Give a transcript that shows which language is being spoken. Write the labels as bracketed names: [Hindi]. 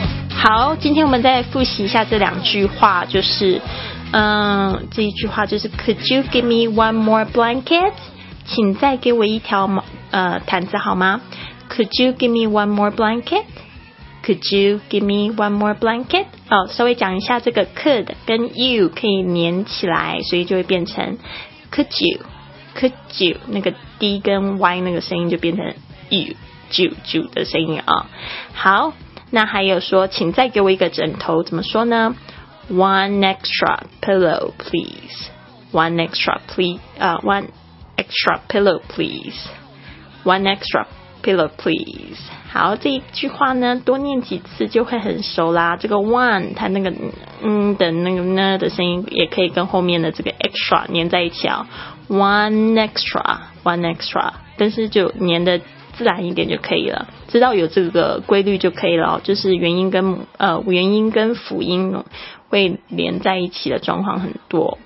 [Chinese] 好，今天我们再复习一下这两句话，就是这一句话就是 [English] Could you give me one more blanket? [Chinese] 请再给我一条毯子好吗？ [English] Could you give me one more blanket? Could you give me one more blanket? [Chinese] 好，稍微讲一下这个 could 跟 you 可以连起来，所以就会变成 [English] could you, could you, [Chinese] 那个 D 跟 Y 那个声音就变成 [English] you, you, you [Chinese] 的声音啊。好，那还有说请再给我一个枕头怎么说呢？ [English] One extra pillow, please. One extra, please. One extra pillow, please. One extra pillow, please. [Chinese] 好，这一句话呢多念几次就会很熟啦。这个 one 它那个的那个呢的声音也可以跟后面的这个 extra 黏在一起哦。 [English] one extra, one extra, [Chinese] 但是就黏的自然一点就可以了，知道有这个规律就可以了，就是元音跟元音跟辅音会连在一起的状况很多。